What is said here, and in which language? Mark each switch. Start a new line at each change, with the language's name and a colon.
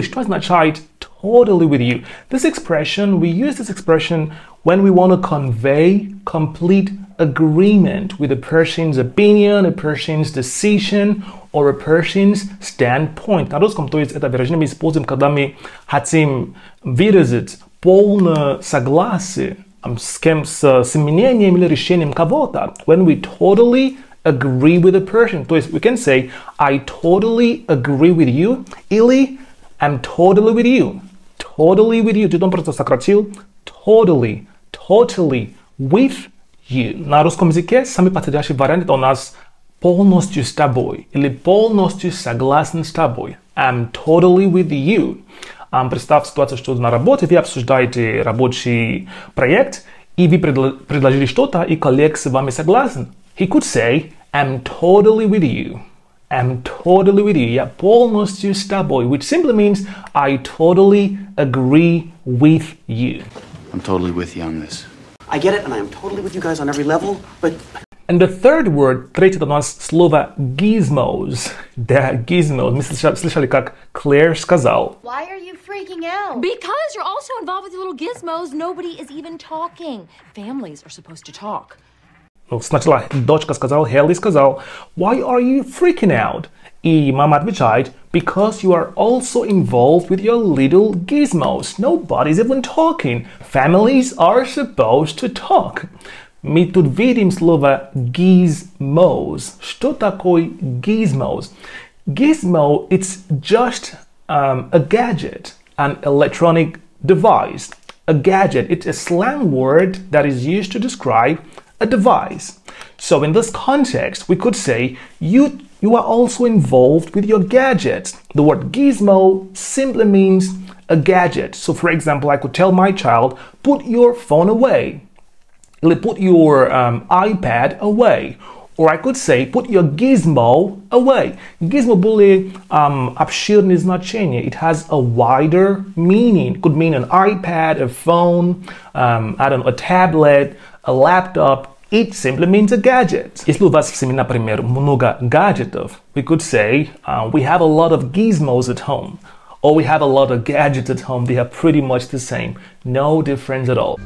Russian: Что означает
English: totally with you? This expression, we use this expression when we want to convey complete agreement with a person's opinion, a person's decision, or a person's standpoint.
Russian: На русском, то есть, это выражение мы используем, когда мы хотим выразить полное согласие с кем, с мнением или решением кого-то.
English: When we totally agree with a person.
Russian: То есть,
English: we can say, I totally agree with you.
Russian: Или,
English: I'm totally with you. Totally with you.
Russian: Ты там просто сократил.
English: Totally. Totally with you.
Russian: На русском языке самый подходящий вариант это у нас полностью с тобой. Или полностью согласен с тобой.
English: I'm totally with you.
Russian: Представь ситуацию, что на работе вы обсуждаете рабочий проект, и вы предложили что-то, и коллег с вами согласен.
English: He could say, I'm totally with you. I'm totally with you.
Russian: Я полностью с тобой.
English: Which simply means, I totally agree with you. I'm totally with you on this. I get it, and I'm totally with you guys on every level, but... And the third word,
Russian: третье у нас слово
English: gizmos.
Russian: Да, gizmos. Мы слышали, как Клэр сказал.
English: Why are you freaking out? Because you're also involved with the little gizmos. Nobody is even talking. Families are supposed to talk.
Russian: Ну, сначала дочка сказала, Хелли сказал,
English: why are you freaking out?
Russian: И мама отвечает,
English: because you are also involved with your little gizmos. Nobody's even talking. Families are supposed to talk.
Russian: Мы тут видим слово gizmos. Что такое gizmos?
English: Gizmo, it's just a gadget, an electronic device. A gadget, it's a slang word that is used to describe a device. So in this context, we could say you are also involved with your gadgets. The word gizmo simply means a gadget. So for example, I could tell my child, put your phone away.
Russian: Или
English: put your iPad away. Or I could say, put your gizmo away.
Russian: Gizmo более обширное значение.
English: It has a wider meaning. Could mean an iPad, a phone, I don't know, a tablet, a laptop. It simply means a gadget.
Russian: Если у вас в семье, например, много гаджетов,
English: we could say, we have a lot of gizmos at home. Or we have a lot of gadgets at home. They are pretty much the same. No difference at all.